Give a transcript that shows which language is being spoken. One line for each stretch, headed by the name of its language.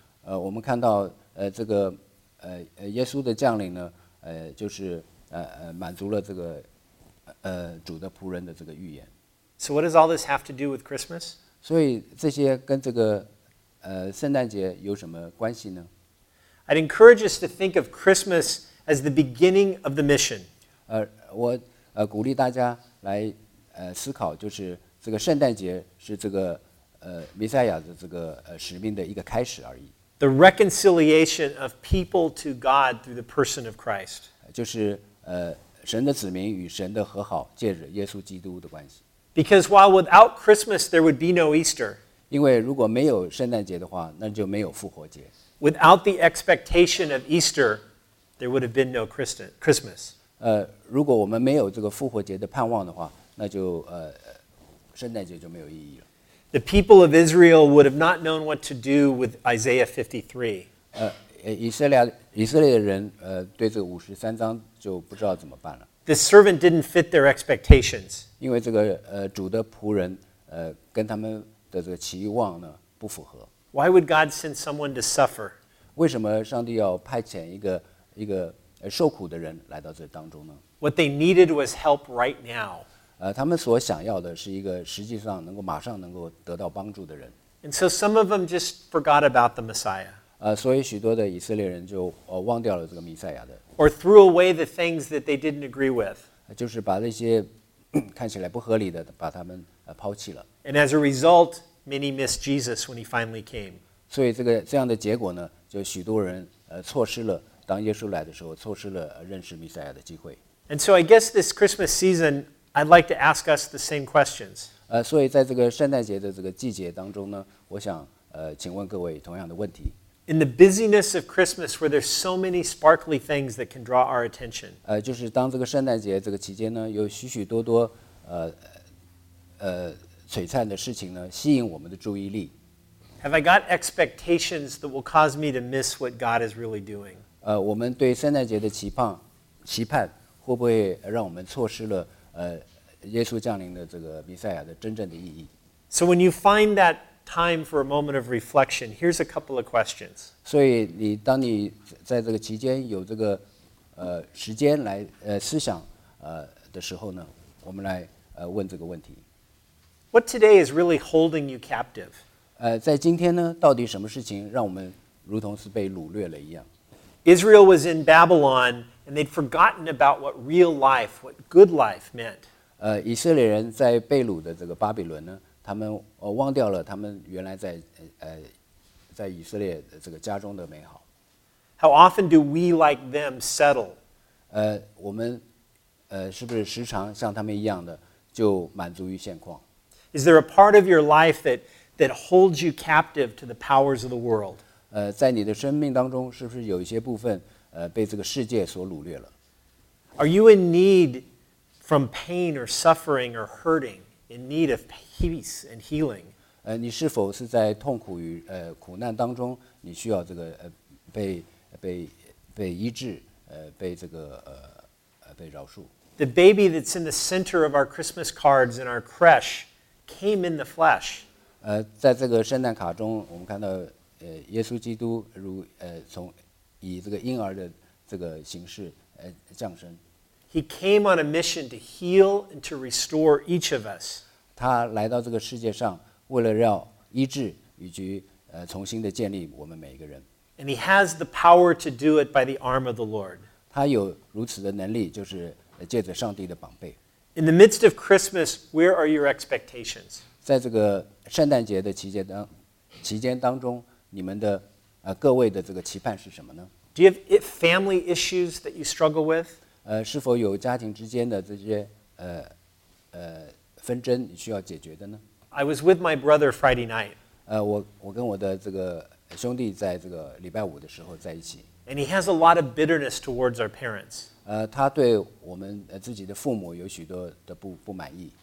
Chinese: 我们看到这个耶稣的降临呢就是满足了这个主的仆人的这个预言。
English: So what does all this have to do with Christmas?
Chinese: 所以这些跟这个圣诞节有什么关系呢？
English: I'd encourage us to think of Christmas as the beginning of the mission.
Chinese: 我鼓励大家来思考就是这个圣诞节是这个弥赛亚的这个使命的一个开始而已。
English: The reconciliation of people to God through the person of Christ.
Chinese: 就是神的子民与神的和好借着耶稣基督的关系。
English: Because while without Christmas there would be no Easter.
Chinese: 因为如果没有圣诞节的话那就没有复活节。
English: Without the expectation of Easter there would have been no Christmas.
Chinese: 如果我们没有这个复活节的盼望的话那就圣诞节就没有意义了。
English: The people of Israel would have not known what to do with Isaiah 53.
Chinese: 以色列的人对这个五十三章就不知道怎么办了。
English: The servant didn't fit their expectations.
Chinese: 因为这个主的仆人跟他们的这个期望呢不符合。
English: Why would God send someone to suffer?
Chinese: 为什么上帝要派遣一个受苦的人来到这当中呢？
English: What they needed was help right now.
Chinese: 他们所想要的是一个实际上能够马上能够得到帮助的人。
English: And so some of them just forgot about the Messiah.
Chinese: 所以许多的以色列人就忘掉了这个弥赛亚的。
English: Or threw away the things that they didn't agree with.
Chinese: 就是把那些看起来不合理的把他们抛弃了。
English: And as a result, many missed Jesus when he finally came.
Chinese: 所以这样的结果呢，就许多人错失了当耶稣来的时候，错失了认识弥赛亚的机会。
English: And so I guess this Christmas season, I'd like to ask us the same questions.
Chinese: 所以在这个圣诞节的这个季节当中呢，我想请问各位同样的问题。
English: In the busyness of Christmas, where there's so many sparkly things that can draw our attention.
Chinese: 就是当这个圣诞节这个期间呢，有许许多多璀璨的事情呢，吸引我们的注意力。
English: Have I got expectations that will cause me to miss what God is really doing?
Chinese: 我们对圣诞节的期盼，会不会让我们错失了耶稣降临的这个弥赛亚的真正的意义
English: ？So when you find that. Time for a moment of reflection. Here's a couple of questions.
Chinese: 所以你当你在这个期间有这个时间来思想的时候呢，我们来问这个问题。
English: What today is really holding you captive?
Chinese: 在今天呢，到底什么事情让我们如同是被掳掠了一样
English: ？Israel was in Babylon, and they'd forgotten about what real life, what good life meant.
Chinese: 以色列人在被掳的这个巴比伦呢？他们忘掉了他们原来在以色列这个家中的美好。
English: How often do we like them settle?
Chinese: 我们是不是时常像他们一样的就满足于现况
English: ？Is there a part of your life that holds you captive to the powers of the world?
Chinese: 在你的生命当中，是不是有一些部分被这个世界所掳掠了
English: ？Are you in need from pain or suffering or hurting? In need of pain? Peace and healing.
Chinese: 你是否是在痛苦与苦难当中，你需要这个被医治，被这个被饶恕
English: ？The baby that's in the center of our Christmas cards in our creche came in the flesh.
Chinese: 在这个圣诞卡中，我们看到耶稣基督从以这个婴儿的这个形式降生。
English: He came on a mission to heal and to restore each of us.
Chinese: 他来到这个世界上，为了要医治以及重新的建立我们每一个人。
English: And he has the power to do it by the arm of the Lord.
Chinese: 他有如此的能力，就是借着上帝的膀臂。
English: In the midst of Christmas, where are your expectations?
Chinese: 在这个圣诞节的期间当中，你们的各位的这个期盼是什么呢？
English: Do you have family issues that you struggle with?
Chinese: 是否有家庭之间的这些纷争需要解决的呢？
English: I was with my brother Friday night.
Chinese: 我跟我的这个兄弟在这个礼拜五的时候在一起。
English: And he has a lot of bitterness towards our parents.
Chinese: 他对我们自己的父母有许多的不满意。